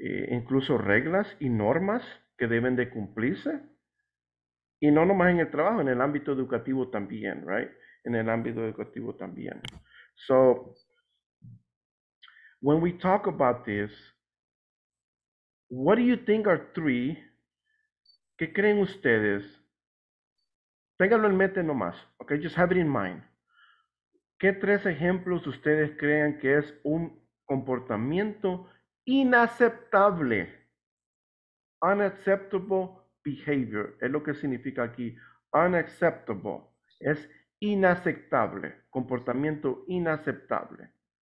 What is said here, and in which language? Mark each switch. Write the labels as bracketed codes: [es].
[es] Incluso reglas y normas que deben de cumplirse. Y no nomás en el trabajo, en el ámbito educativo también, right? En el ámbito educativo también. [en] So, when we talk about this, what do you think are three, [es] ¿qué creen ustedes? Ténganlo en mente nomás, ok? [en] Just have it in mind. [es] ¿Qué tres ejemplos ustedes creen que es un comportamiento inaceptable? Unacceptable behavior, es lo que significa aquí. Unacceptable, es inaceptable, comportamiento inaceptable.